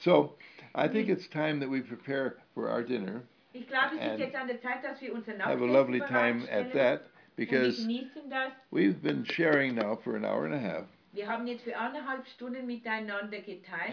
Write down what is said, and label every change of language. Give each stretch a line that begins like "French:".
English: So, I think it's time that we prepare for our dinner.
German: Ich glaube, es ist jetzt an der Zeit, dass wir unser Nachtessen
English: have a lovely time at that. Because we've been sharing now for an hour and a half.
German: Wir haben jetzt für eineinhalb Stunden miteinander geteilt.